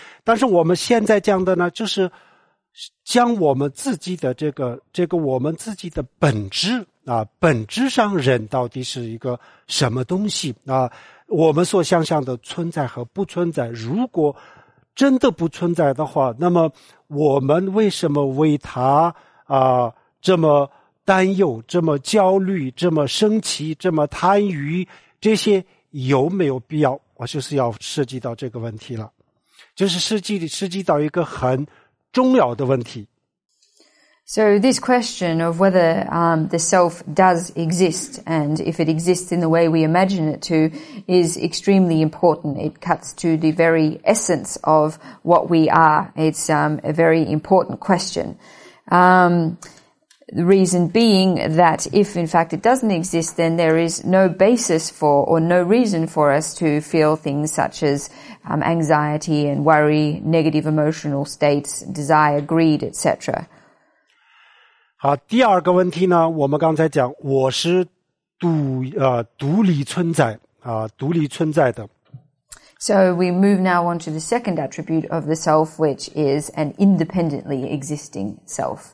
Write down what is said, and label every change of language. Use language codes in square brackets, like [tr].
[zh] 但是我们现在讲的呢，就是将我们自己的这个我们自己的本质啊，本质上人到底是一个什么东西啊，我们所想象的存在和不存在，如果真的不存在的话，那么我们为什么为他啊这么担忧，这么焦虑，这么生气，这么贪欲，这些有没有必要？我就是要涉及到这个问题了，就是涉及到一个很重要的问题。 [en] So this question of whether the self does exist and if it exists in the way we imagine it to is extremely important. It cuts to the very essence of what we are. It's a very important question. The reason being that if in fact it doesn't exist, then there is no basis for or no reason for us to feel things such as anxiety and worry, negative emotional states, desire, greed, etc. [zh] 好，第二个问题呢，我们刚才讲我是独立存在独立存在的。 [en] So we move now on to the second attribute of the self, which is an independently existing self.